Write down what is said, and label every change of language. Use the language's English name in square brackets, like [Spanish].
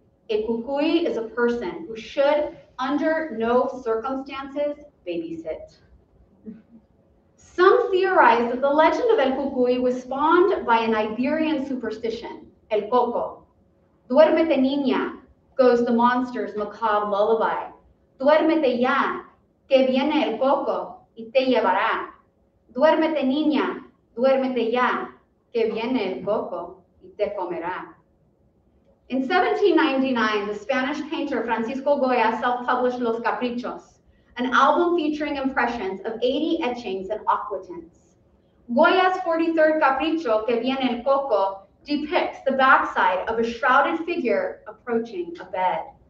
[English] A Ukui is a person who should, under no circumstances, babysit. Some theorize that the legend of El Cucuy was spawned by an Iberian superstition, El Coco. [Spanish] Duérmete niña, [English] goes the monster's macabre lullaby. [Spanish] Duérmete ya, que viene el coco y te llevará. Duérmete niña, duérmete ya, que viene el coco y te comerá. [English] In 1799, the Spanish painter Francisco Goya self-published Los Caprichos, an album featuring impressions of 80 etchings and aquatints. Goya's 43rd Capricho, [Spanish] que viene el coco, [English] depicts the backside of a shrouded figure approaching a bed.